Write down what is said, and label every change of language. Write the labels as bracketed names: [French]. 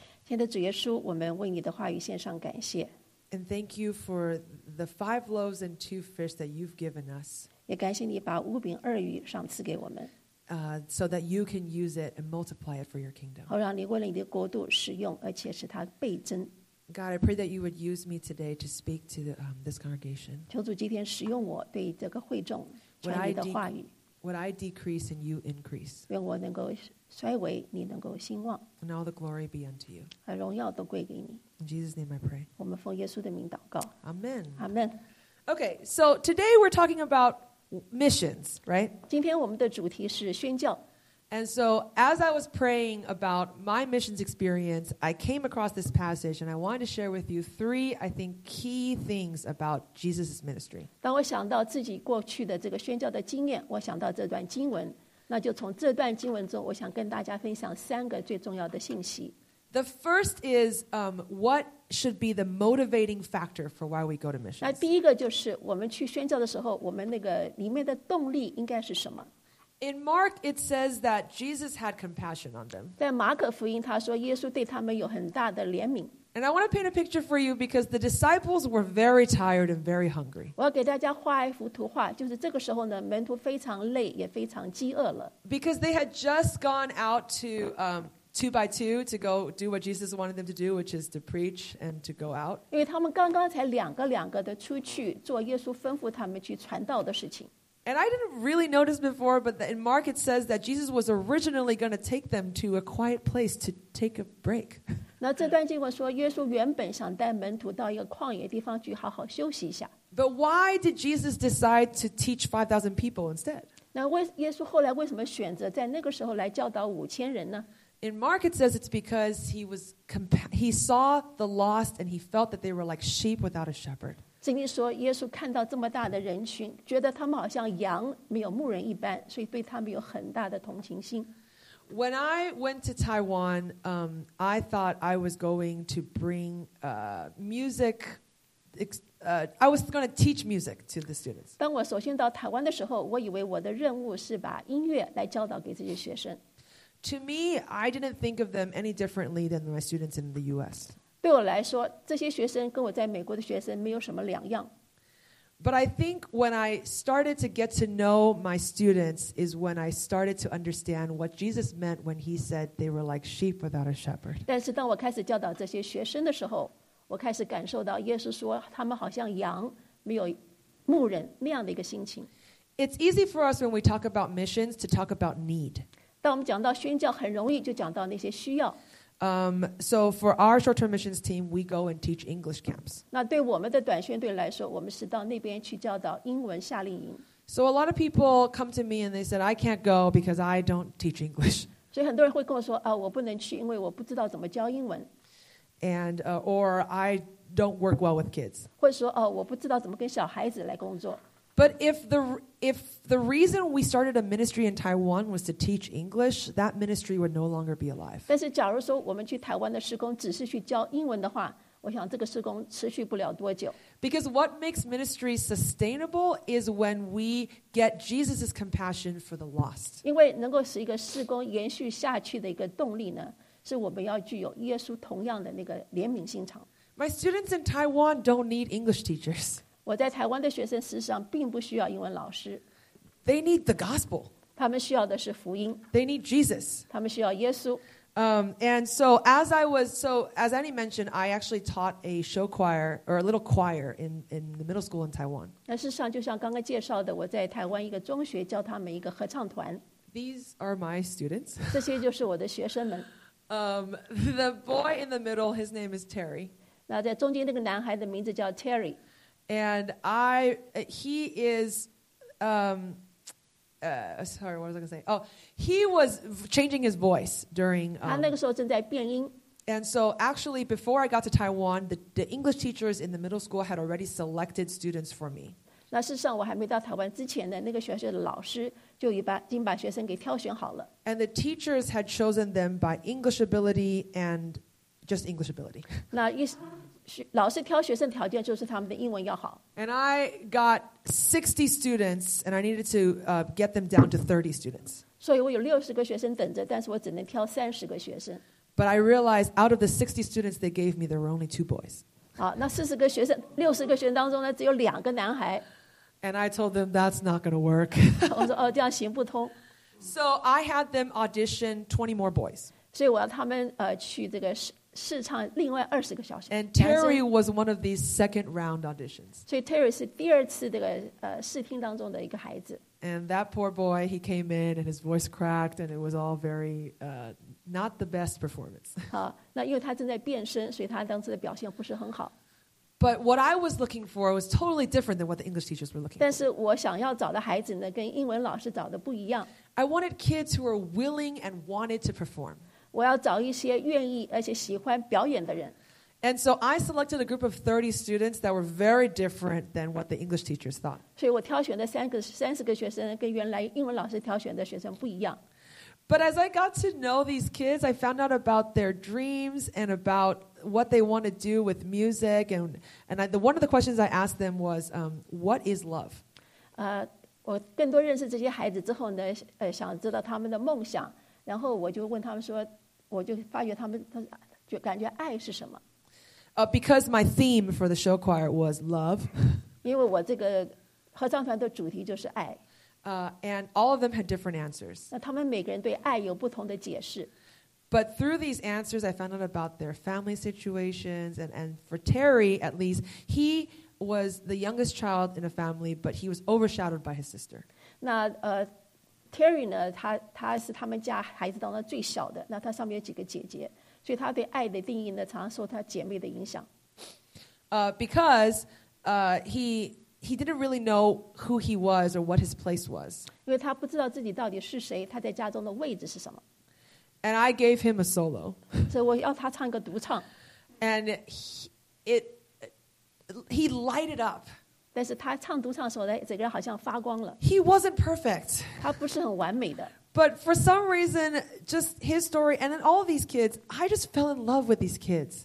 [Chinese] 亲爱的主耶稣，我们为你的话语献上感谢。 [English] And thank you for the five loaves and two fish that you've given us. [Chinese] 也感谢你把五饼二鱼赏赐给我们。 [English] So that you can use it and multiply it for your kingdom. [Chinese] 好让你为了你的国度使用，而且使它倍增。 [English] God, I pray that you would use me today to speak to this congregation. [Chinese] 求主今天使用我对这个会众传你的话语。 [English] Would I decrease and you increase? [Chinese] 愿我能够衰微，你能够兴旺。 [English] And all the glory be unto you. [Chinese] 荣耀都归给你。 [English] In Jesus' name, I pray. [Chinese] 我们奉耶稣的名祷告。 [English] Amen. Amen. Okay, so today we're talking about missions, right? [Chinese] 今天我们的主题是宣教。 [English] And so as I was praying about my missions experience, I came across this passage and I wanted to share with you three, I think, key things about Jesus' ministry. [Chinese] 当我想到自己过去的这个宣教的经验，我想到这段经文，那就从这段经文中，我想跟大家分享三个最重要的信息。 [English] The first is what should be the motivating factor for why we go to missions. [Chinese] 那第一个就是我们去宣教的时候，我们那个里面的动力应该是什么？ [English] In Mark, it says that Jesus had compassion on them. [Chinese] 在马可福音，他说耶稣对他们有很大的怜悯。 [English] And I want to paint a picture for you because the disciples were very tired and very hungry. [Chinese] 我要给大家画一幅图画，就是这个时候呢，门徒非常累，也非常饥饿了。 [English] Because they had just gone out to two by two to go do what Jesus wanted them to do, which is to preach and to go out. [Chinese] 因为他们刚刚才两个两个的出去做耶稣吩咐他们去传道的事情。 [English] And I didn't really notice before, but in Mark it says that Jesus was originally going to take them to a quiet place to take a break. [Chinese] 那这段经文说，耶稣原本想带门徒到一个旷野地方去好好休息一下。 [English] But why did Jesus decide to teach 5,000 people instead? [Chinese] 那为耶稣后来为什么选择在那个时候来教导五千人呢？ [English] In Mark it says it's because he saw the lost and he felt that they were like sheep without a shepherd. [Chinese] 圣经说耶稣看到这么大的人群，觉得他们好像羊没有牧人一般，所以对他们有很大的同情心。 [English] When I went to Taiwan, I thought I was going to bring music, I was going to teach music to the students. [Chinese] 当我首先到台湾的时候，我以为我的任务是把音乐来教导给这些学生。 [English] To me, I didn't think of them any differently than my students in the U.S. [Chinese] 对我来说，这些学生跟我在美国的学生没有什么两样。 [English] But I think when I started to get to know my students is when I started to understand what Jesus meant when he said they were like sheep without a shepherd. [Chinese] 但是当我开始教导这些学生的时候，我开始感受到耶稣说他们好像羊没有牧人那样的一个心情。 [English] It's easy for us when we talk about missions to talk about need. [Chinese] 当我们讲到宣教，很容易就讲到那些需要。 [English] So for our short-term missions team, we go and teach English camps. [Chinese] 那对我们的短宣队来说，我们是到那边去教导英文夏令营。 [English] So a lot of people come to me and they said, I can't go because I don't teach English. [Chinese] 所以很多人会跟我说，啊，我不能去，因为我不知道怎么教英文。 [English] And, or I don't work well with kids. [Chinese] 或者说，哦，我不知道怎么跟小孩子来工作。 [English] But if the reason we started a ministry in Taiwan was to teach English, that ministry would no longer be alive. [Chinese] 但是假如说我们去台湾的事工只是去教英文的话，我想这个事工持续不了多久。 [English] Because what makes ministry sustainable is when we get Jesus' compassion for the lost. [Chinese] 因为能够使一个事工延续下去的一个动力呢，是我们要具有耶稣同样的那个怜悯心肠。 [English] My students in Taiwan don't need English teachers. [Chinese] 我在台湾的学生事实上并不需要英文老师。 [English] They need the gospel. [Chinese] 他们需要的是福音。 [English] They need Jesus. [Chinese] 他们需要耶稣。 [English] And so as I was, so as Annie mentioned, I actually taught a show choir or a little choir in the middle school in Taiwan. [Chinese] 那事实上就像刚刚介绍的，我在台湾一个中学教他们一个合唱团。 [English] These are my students. [Chinese] 这些就是我的学生们。 [English] The boy in the middle, his name is Terry. [Chinese] 那在中间那个男孩的名字叫 Terry. [English] And I, he is, sorry, what was I going to say? Oh, he was changing his voice during, [Chinese] 他那个时候正在变音。 [English] And so actually, before I got to Taiwan, the English teachers in the middle school had already selected students for me. [Chinese] 那事实上我还没到台湾之前呢，那个学校的老师就已经把学生给挑选好了。 [English] And the teachers had chosen them by English ability and just English ability. [Chinese] 那意思老师挑学生条件就是他们的英文要好。 [English] And I got 60 students, and I needed to get them down to 30 students. [Chinese] 所以我有60个学生等着，但是我只能挑30个学生。 [English] But I realized out of the 60 students they gave me, there were only two boys. [Chinese] 好，那40个学生，60个学生当中呢，只有两个男孩。 [English] And I told them that's not going to work. [Chinese] 我说哦，这样行不通。 [English] So I had them audition 20 more boys. [Chinese] 所以我要他们去这个试唱另外二十个小时。 [English] And Terry was one of these second round auditions. [Chinese] 所以 Terry 是第二次这个试听当中的一个孩子。 [English] And that poor boy, he came in and his voice cracked, and it was all very not the best performance. [Chinese] 好，那因为他正在变声，所以他当时的表现不是很好。 [English] But what I was looking for was totally different than what the English teachers were looking for. [Chinese] 但是我想要找的孩子呢，跟英文老师找的不一样。 [English] I wanted kids who were willing and wanted to perform. [Chinese] 我要找一些愿意而且喜欢表演的人。 [English] And so I selected a group of 30 students that were very different than what the English teachers thought. [Chinese] 所以我挑选的30个学生跟原来英文老师挑选的学生不一样。 [English] But as I got to know these kids, I found out about their dreams and about what they want to do with music. And one of the questions I asked them was, what is love? [Chinese] 我更多认识这些孩子之后呢，想知道他们的梦想。然后我就问他们说，我就发觉他们就感觉爱是什么。 [English] Because my theme for the show choir was love. [Chinese] 因为我这个合唱团的主题就是爱。 [English] And all of them had different answers. [Chinese] 那他们每个人对爱有不同的解释。 [English] But through these answers, I found out about their family situations, and for Terry, at least, he was the youngest child in a family, but he was overshadowed by his sister. [Chinese] 那Terry 呢 他是他们家孩子当中最小的，那他上面有几个姐姐，所以他对爱的定义呢常常受他姐妹的影响。 [English] Because he didn't really know who he was or what his place was. [Chinese] 因为他不知道自己到底是谁，他在家中的位置是什么。 [English] And I gave him a solo. [Chinese] 所以我要他唱一个独唱。 [English] And he lighted up. [Chinese] 但是他唱独唱的时候，整个人好像发光了。 [English] He wasn't perfect. [Chinese] 他不是很完美的。 [English] But for some reason, just his story, and then all these kids, I just fell in love with these kids.